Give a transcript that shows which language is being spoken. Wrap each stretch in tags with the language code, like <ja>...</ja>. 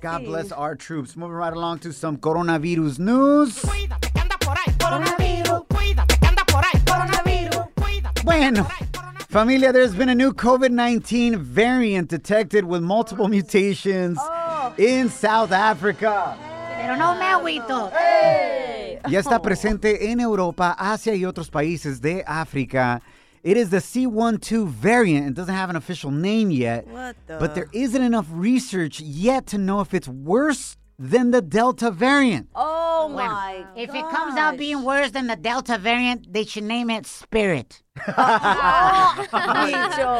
<en>God bless our troops. Moving right along to some coronavirus news.</en> <es>Bueno.</es> <en>Familia, there's been a new COVID-19 variant detected with multiple mutations in South Africa.</en> <es>Pero no me agüito. Ya está presente en Europa, Asia y otros países de África.</es> <en>It is the C.1.2 variant. It doesn't have an official name yet. But there isn't enough research yet to know if it's worse than the Delta variant. Oh, my god. If it comes out being worse than the Delta variant, they should name it Spirit. Oh,</en>